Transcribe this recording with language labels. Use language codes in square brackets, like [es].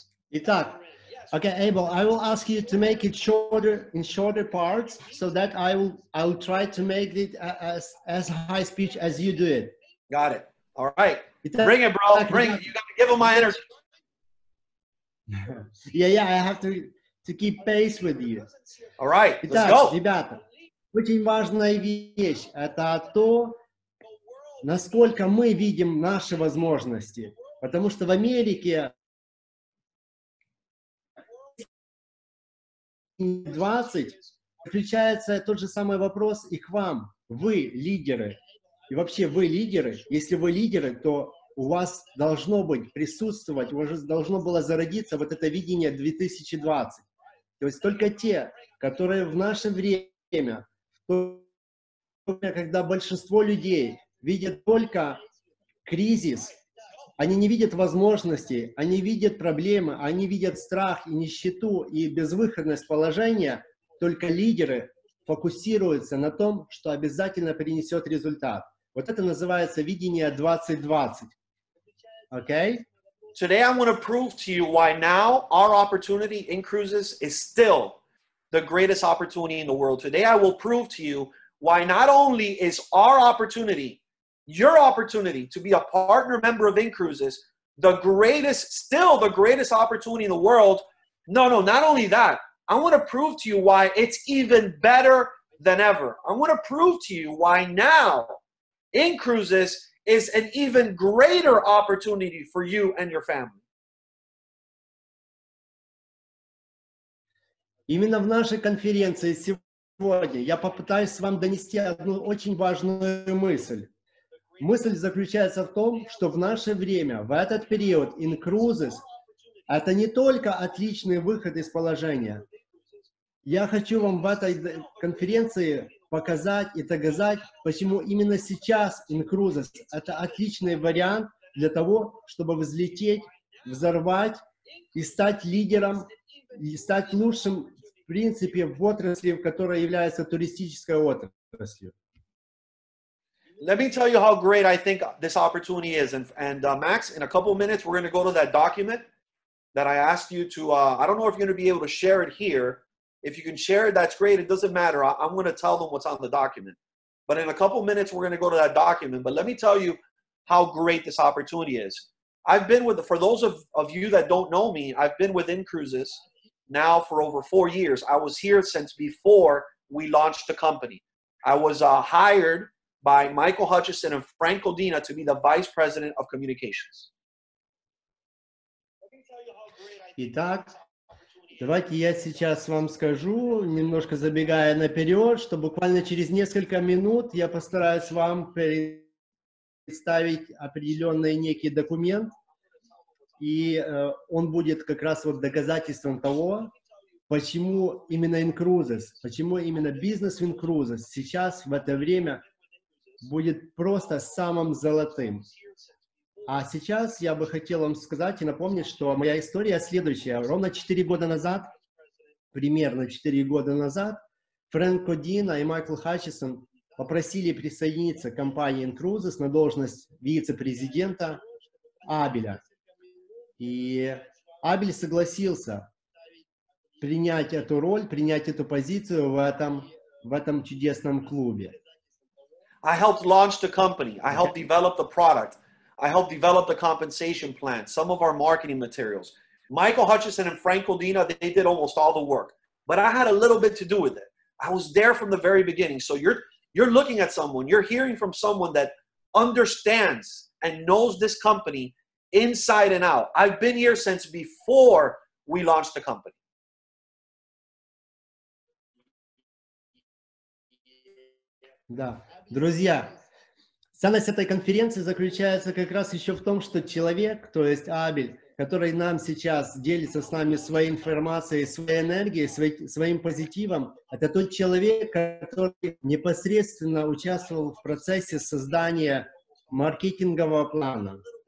[en] Итак, okay, Abel, I will ask you to make it shorter, in shorter parts, so that I will try to make it as high speech as you do it. Got it. All right. Bring it, bro. Bring it. You got to give him my energy. Yeah, I have to keep pace with you. All right, let's [ru] Итак, [en] go. [ru] Ребята, очень важная вещь – это то, насколько мы видим наши возможности. Потому что в Америке 20 включается тот же самый вопрос и к вам. Вы лидеры. И вообще вы лидеры. Если вы лидеры, то у вас должно быть присутствовать, у вас должно было зародиться вот это видение 2020. То есть только те, которые в наше время, в то время, когда большинство людей видят только кризис, они не видят возможности, они видят проблемы, они видят страх и нищету и безвыходность положения, только лидеры фокусируются на том, что обязательно принесет результат. Вот это называется видение 2020. Окей? [en] Today I'm going to prove to you why now our opportunity in cruises is still the greatest opportunity in the world. Today I will prove to you why not only is our opportunity, your opportunity to be a partner member of InCruises, the greatest, still the greatest opportunity in the world. No, no, not only that. I want to prove to you why it's even better than ever. I want to prove to you why now InCruises is an even greater opportunity for you and your family. [ru] Именно в нашей конференции сегодня я попытаюсь вам донести одну очень важную мысль. Мысль заключается в том, что в наше время, в этот период, InCruises – это не только отличный выход из положения. Я хочу вам в этой конференции показать и доказать, почему именно сейчас InCruises – это отличный вариант для того, чтобы взлететь, взорвать и стать лидером, и стать лучшим, в принципе, в отрасли, в которой является туристическая отрасль. [en] Let me tell you how great I think this opportunity is. Max, in a couple of minutes, we're going to go to that document that I asked you to, I don't know if you're going to be able to share it here. If you can share it, that's great. It doesn't matter. I'm going to tell them what's on the document. But in a couple of minutes, we're going to go to that document. But let me tell you how great this opportunity is. I've been with, for those of you that don't know me, I've been with InCruises now for over 4 years. I was here since before we launched the company. I was hired by Michael Hutchison and Frank Codina to be the vice president of communications. [ru] Итак, давайте я сейчас вам скажу, немножко забегая наперед, что буквально через несколько минут я постараюсь вам представить определенный некий документ. И он будет как раз вот доказательством того, почему именно InCruises, почему именно бизнес InCruises сейчас в это время будет просто самым золотым. А сейчас я бы хотел вам сказать и напомнить, что моя история следующая. Ровно 4 года назад, примерно 4 года назад, Фрэнк Кодина и Майкл Хатчисон попросили присоединиться к компании InCruises на должность вице-президента Абеля. И Абель согласился принять эту роль, принять эту позицию в этом чудесном клубе. [en] I helped launch the company. I helped develop the product. I helped develop the compensation plan, some of our marketing materials. Michael Hutchison and Frank Codina, they did almost all the work. But I had a little bit to do with it. I was there from the very beginning. So you're looking at someone, you're hearing from someone that understands and knows this company inside and out. I've been here since before we launched the company. [ru] Да, друзья, ценность этой конференции заключается как раз еще в том, что человек, то есть Абель, который нам сейчас делится с нами своей информацией, своей энергией, своим позитивом, это тот человек, который непосредственно участвовал в процессе создания маркетингового плана.